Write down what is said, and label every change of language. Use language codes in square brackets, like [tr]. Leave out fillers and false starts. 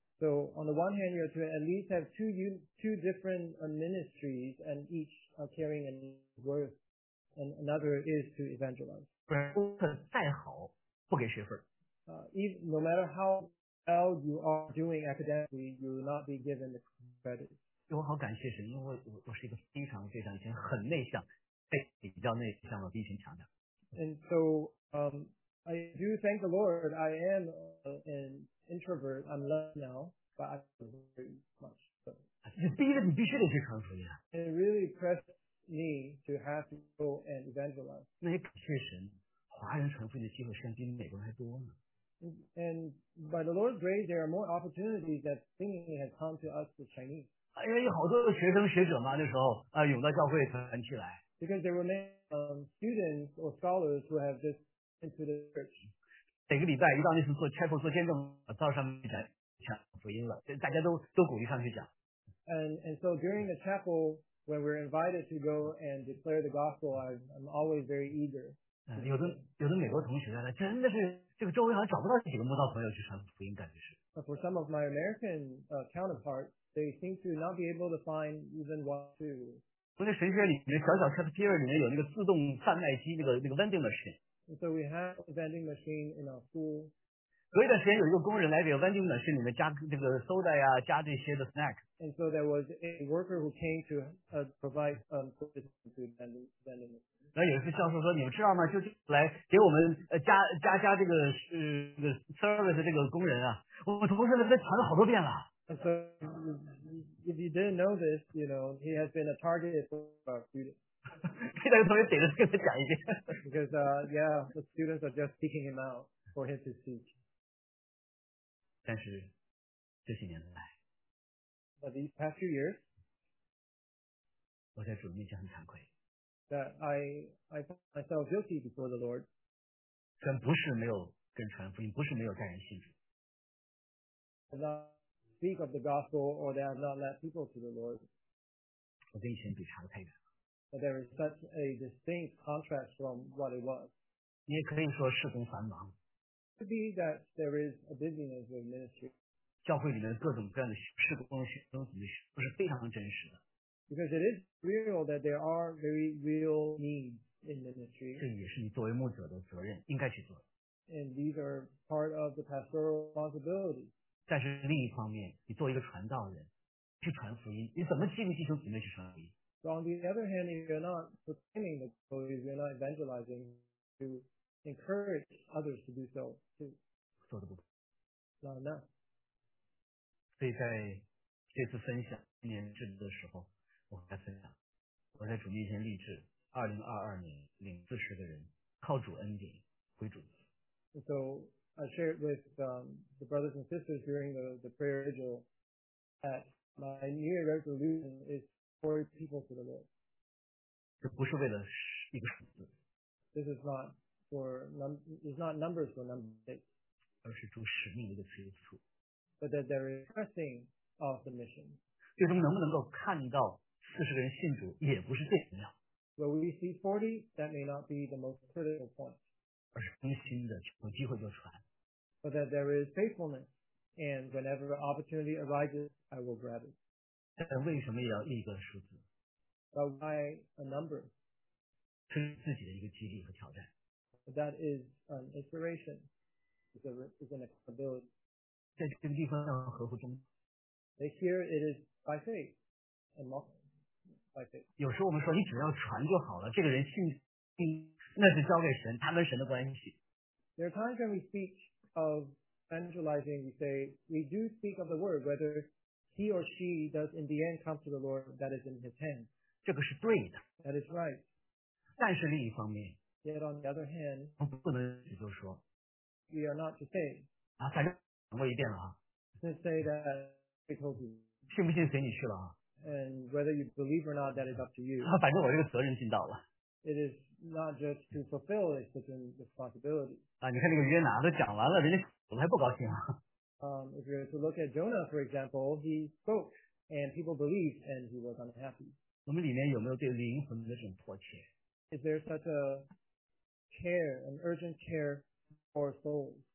[en] So on the one hand, you are to at least have two different ministries, and each are carrying a word, and another is to evangelize. [zh] 不然功课再好不给学分。 [en] No matter how well you are doing academically, you will not be given the credit. [zh] 我好感谢神，因为 我是一个非常非常以前很内向，比较内向的，比以前强的。 [en] And so, I do thank the Lord. I am an introvert. I'm less now, but I do very much. So. [zh] 你逼着你必须得去传福音。 [en] And it really pressed. Me to have to go and evangelize. [zh] 那也感谢神，华人传福音的机会实际上比美国人还多呢。 [en] And by the Lord's grace, there are more opportunities that singing has come to us the Chinese. [zh] 因为有好多的学生学者嘛，那时候啊涌到教会传去来。 [en] Because there were many students or scholars who have just entered the church. [zh] 每个礼拜一到那次做 chapel 做见证，到上面讲讲福音了，大家都鼓励上去讲。 [en] And so during the chapel. When we're invited to go and declare the gospel, I'm always very eager. [zh] 有的美国同学呢，真的是这个周围好像找不到几个慕道朋友去传福音，感觉是。 [en] For some of my American counterparts, they seem to not be able to find even one or two. [zh] 不是神学里面小小 cafeteria 里面有那个自动贩卖机，那个 vending machine. [en] And so we have a vending machine in our school. [zh] 隔一段时间有一个工人来给 vending machine 里面加这个 soda 呀、啊，加这些的 snack. [en] And so there was a worker who came to provide provision to vending. [zh] 然后有一次教授说：“你们知道吗？就是来给我们加这个service 这个工人啊，我们同事们都传了好多遍了。” [en] And so if you didn't know this, you know he has been a target for our students. [zh] 给那个同学逮着跟他讲一遍。 [en] Because the students are just seeking him out for him to speak. [zh] 但是这些年来。 [en] But these past few years, [zh] 我在主面前很惭愧。 [en] That I found myself guilty before the Lord. [zh] 虽然不是没有跟传福音，不是没有带人信主。 [en] I not speak of the gospel, or that I've not led people to the Lord. [zh] 我跟以前比差得太远了。 [en] But there is such a distinct contrast from what it was. [zh] 你也可以说事工繁忙。 [en] It could be that there is a busyness with ministry. [zh] 教会里面各种各样的事工学生子女都是非常真实的。 [en] Because it is real that there are very real needs in ministry. [zh] 这也是你作为牧者的责任，应该去做的。 [en] And these are p part of the pastoral responsibility. [zh] 但是另一方面，你作为一个传道人，去传福音，你怎么激励弟兄姊妹去传福音？ [en] So on the other hand, if you're not proclaiming the gospel, if you're not evangelizing, to encourage others to do so too. [zh] 做的不够。那那。所以在这次分享今年制度的时候，我跟他分享，我在主面前立志，2022年领40个人，靠主恩典归主。 [en] So I shared with the brothers and sisters during the prayer vigil that my New Year resolution is for people to the Lord. [zh] 这不是为了一个数字。 [en] This is not for it's not numbers for number sake. [zh] 而是主使命的一个催促。 [en] But that they're pressing of the mission. [zh] 就他们能不能够看到40个人信主也不是最重要。 [en] When we see 40, that may not be the most critical point. [zh] 而是更新的，有机会就传。 [en] But that there is faithfulness, and whenever opportunity arises, I will grab it. [zh] 但为什么也要一个数字？ [en] But why a number? [zh] 是自己的一个激励和挑战。 [en] But that is an inspiration. It's an accountability. [zh] 在这个地方要合乎中。 [en] They hear it is by faith, and not by faith. [zh] 有时候我们说你只要传就好了，这个人信。那是交给神，他跟神的关系。 [en] There are times when we speak of evangelizing, we say we do speak of the word, whether he or she does in the end come to the Lord, that is in His hand. [zh] 这个是对的。 [en] That is right. [zh] 但是另一方面 [en] ，Yet on the other hand, [zh] 我们不能只就说 [en] ，We are not to say. [zh] 啊，反正讲过一遍了啊。 [en] To say that we told you. [zh] 信不信随你去了啊。 [en] And whether you believe or not, that is up to you. [zh] 啊，反正我这个责任尽到了。 [en] It is not just to fulfill it, but in responsibility. [zh] 啊，你看那个约拿都讲完了，人家怎么还不高兴啊？ [en] If you were to look at Jonah, for example, he spoke and people believed and he was unhappy. [zh] 我们里面有没有对灵魂的这种迫切？ [en] Is there such a care, an urgent care for souls?